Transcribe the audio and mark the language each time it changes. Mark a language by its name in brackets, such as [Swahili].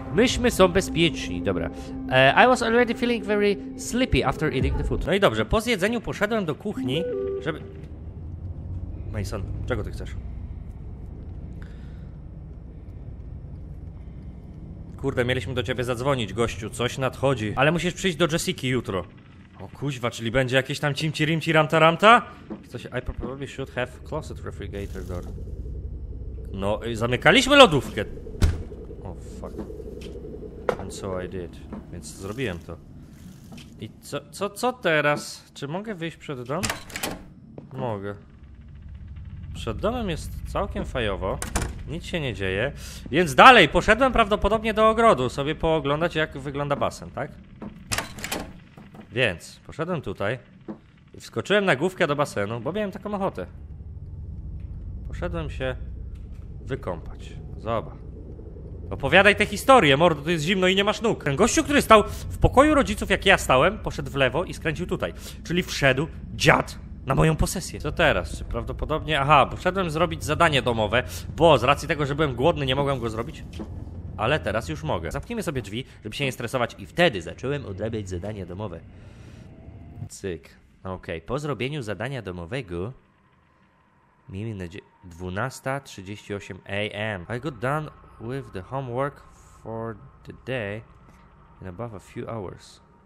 [Polish] Myśmy są bezpieczni. Dobra. [English] I was already feeling very sleepy after eating the food. [Polish] No i dobrze, po zjedzeniu poszedłem do kuchni, żeby... Mason, czego ty chcesz? Kurde, mieliśmy do ciebie zadzwonić, gościu. Coś nadchodzi. Ale musisz przyjść do Jessiki jutro. O kuźwa, czyli będzie jakieś tam cimci rimci ramta ramta? [English] Coś, I probably should have closed refrigerator door. [Polish] No, zamykaliśmy lodówkę. [English] Oh fuck. And so I did. [Polish] Więc zrobiłem to. I co teraz? Czy mogę wyjść przed dom? Mogę. Przed domem jest całkiem fajowo. Nic się nie dzieje, więc dalej poszedłem prawdopodobnie do ogrodu sobie pooglądać, jak wygląda basen, tak? Więc poszedłem tutaj i wskoczyłem na główkę do basenu, bo miałem taką ochotę. Poszedłem się wykąpać. Zobacz. Opowiadaj tę historię, mordo, to jest zimno i nie masz nóg. Ten gościu, który stał w pokoju rodziców, jak ja stałem, poszedł w lewo i skręcił tutaj. Czyli wszedł dziad na moją posesję. Co teraz? Czy prawdopodobnie... Aha, poszedłem zrobić zadanie domowe, bo z racji tego, że byłem głodny, nie mogłem go zrobić. Ale teraz już mogę. Zamknijmy sobie drzwi, żeby się nie stresować. I wtedy zacząłem odrabiać zadanie domowe. Cyk. Okej. Po zrobieniu zadania domowego... Miejmy nadzieję... 12:38 a.m. [English] I got done with the homework for the day in above a few hours.